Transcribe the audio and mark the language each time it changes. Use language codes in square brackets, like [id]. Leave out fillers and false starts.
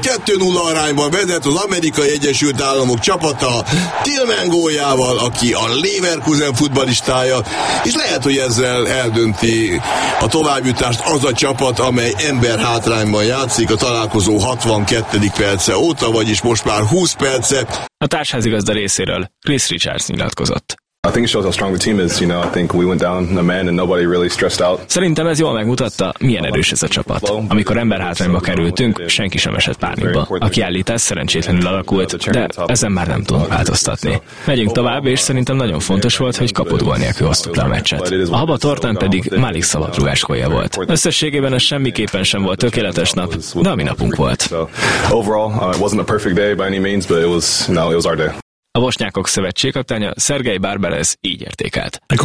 [hu] 2-0 arányban vezet az Amerikai Egyesült Államok csapata Tillman góljával, aki a Leverkusen futballistája. És lehet, hogy ezzel eldönti a továbbjutást az a csapat, amely ember hátrányban játszik a találkozó 62. perce óta, vagyis most már 20 perce. A társházigazda részéről Chris Richards nyilatkozott. [en] I think it shows how strong the team is, you know. I think we went down a man and nobody really stressed out. [hu] Szerintem ez jól megmutatta, milyen erős ez a csapat. Amikor ember hátrányba kerültünk, senki sem esett pánikba. A kiállítás szerencsétlenül alakult, de ezen már nem tudunk változtatni. Megyünk tovább, és szerintem nagyon fontos volt, hogy kapott gól nélkül hoztuk le a meccset. A haba tortán pedig Malik szabadrugás gólja volt. Összességében ez semmiképpen sem volt tökéletes nap, de a mi napunk volt. [en] Overall, it wasn't a perfect day by any means, but it was our day. [hu] A Bosnyákok Szövetség kapitánya Szergej Barbarez így értékelt.